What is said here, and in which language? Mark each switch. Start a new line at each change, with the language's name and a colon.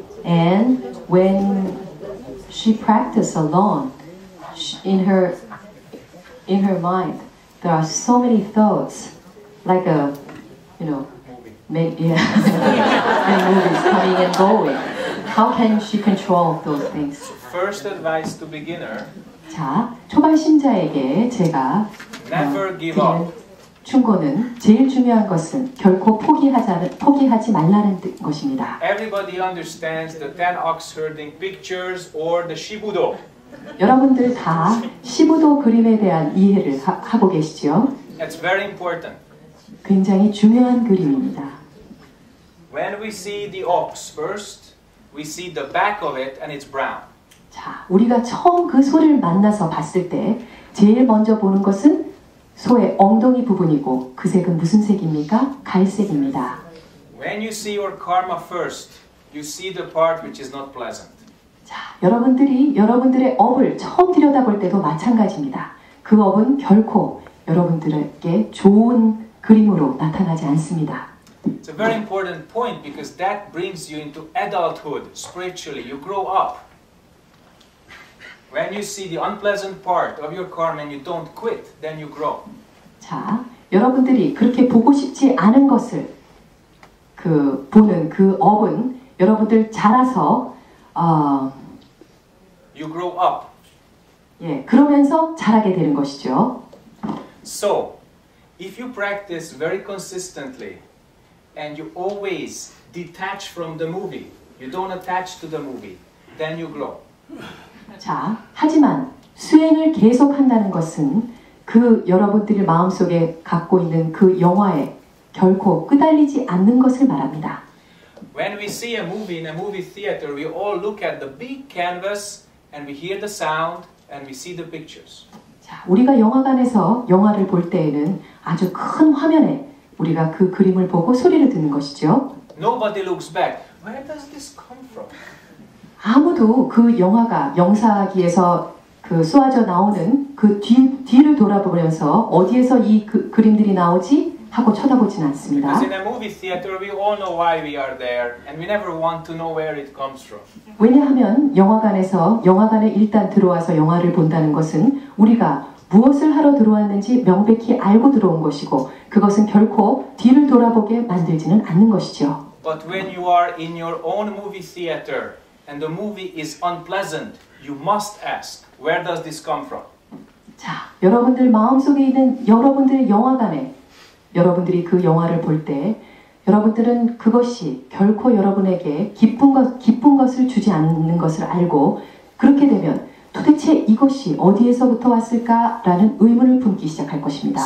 English: And when she practices alone, in her mind, there are so many thoughts, like a, you know, and movies coming and going. How can she control those things? First advice to beginner.
Korean: 자, 초반신자에게 제가 드리는 충고는 제일 중요한 것은 결코 포기하지 말라는 것입니다.
English: Everybody understands the 10 ox herding pictures or the Shibudo.
Korean: 여러분들 다 시부도 그림에 대한 이해를 하고 계시죠?
English: It's very important.
Korean: 굉장히 중요한 그림입니다.
English: When we see the ox first, we see the back of it and it's brown.
Korean: 자, 우리가 처음 그 소를 만나서 봤을 때 제일 먼저 보는 것은 소의 엉덩이 부분이고 그 색은 무슨 색입니까? 갈색입니다.
English: When you see your karma first, you see the part which is not pleasant.
Korean: 자, 여러분들이 여러분들의 업을 처음 들여다볼 때도 마찬가지입니다. 그 업은 결코 여러분들에게 좋은 그림으로 나타나지 않습니다.
English: It's a very important point because that brings you into adulthood spiritually. You grow up. When you see the unpleasant part of your karma and you don't quit, then you grow.
Korean: 자, 여러분들이 그렇게 보고 싶지 않은 것을 그 보는 그 업은 여러분들 자라서
English: you grow up.
Korean: 예, 그러면서 자라게 되는 것이죠.
English: So, if you practice very consistently and you always detach from the movie, you don't attach to the movie, then you grow.
Korean: 자, 하지만 수행을 계속한다는 것은 그 여러분들이 마음속에 갖고 있는 그 영화에 결코 끄달리지 않는 것을 말합니다.
English: When we see a movie in a movie theater, we all look at the big canvas and we hear the sound and we see the pictures.
Korean: 자, 우리가 영화관에서 영화를 볼 때에는 아주 큰 화면에 우리가 그 그림을 보고 소리를 듣는 것이죠.
English: Nobody looks back. Where does this come from?
Korean: 아무도 그 영화가 영사기에서 그 쏘아져 나오는 그 뒤를 돌아보면서 어디에서 이 그림들이 나오지 하고 쳐다보진 않습니다.
English: Because in a movie theater, we all know why we are there, and we never want to know where it comes from.
Korean: 왜냐하면 영화관에 일단 들어와서 영화를 본다는 것은 우리가 무엇을 하러 들어왔는지 명백히 알고 들어온 것이고 그것은 결코 뒤를 돌아보게 만들지는 않는 것이죠.
English: But when you are in your own movie theater. And the movie is unpleasant. You must ask, where does this come from?
Korean: 자, 여러분들 마음속에 있는 여러분들의 영화관에 여러분들이 그 영화를 볼 때 여러분들은 그것이 결코 여러분에게 기쁜 것을 주지 않는 것을 알고 그렇게 되면 도대체 이것이 어디에서부터 왔을까라는 의문을 품기 시작할 것입니다.